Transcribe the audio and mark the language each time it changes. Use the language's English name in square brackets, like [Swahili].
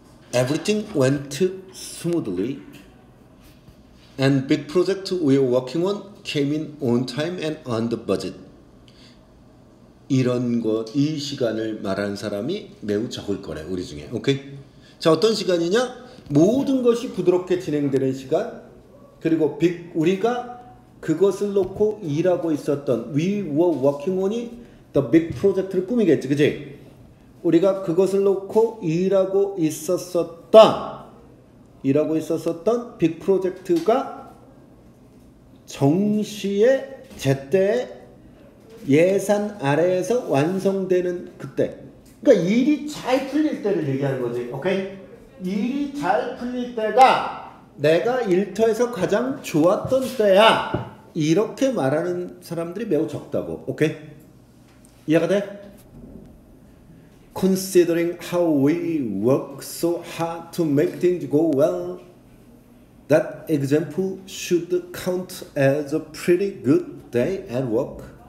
[English] Everything went smoothly and big project we were working on came in on time and on the budget. [Korean] 이런 것, 이 시간을 말한 사람이 매우 적을 거래, 우리 중에. 오케이? 자, 어떤 시간이냐? 모든 것이 부드럽게 진행되는 시간. 그리고 big, 우리가 그것을 놓고 일하고 있었던 we were working on 이 the big project 를 꾸미겠지, 그치? 우리가 그것을 놓고 일하고 있었었던 빅 프로젝트가 정시에 제때 예산 아래에서 완성되는 그때. 그러니까 일이 잘 풀릴 때를 얘기하는 거지. 오케이? 일이 잘 풀릴 때가 내가 일터에서 가장 좋았던 때야. 이렇게 말하는 사람들이 매우 적다고. 오케이? 이해가 돼? [English] Considering how we work so hard to make things go well, that example should count as a pretty good day at work.